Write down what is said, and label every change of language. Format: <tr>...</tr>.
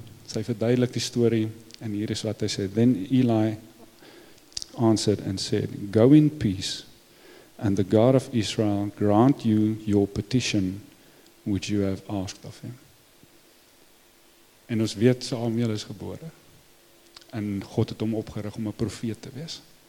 <af>Sy verduidelik die story, en hier is wat hy sê.</af> <en>Then Eli answered and said, Go in peace, and the God of Israel grant you your petition, which you have asked of him.</en> <af>En ons weet, Samuel is gebore, en God het hom opgerig om 'n profeet te wees.</af>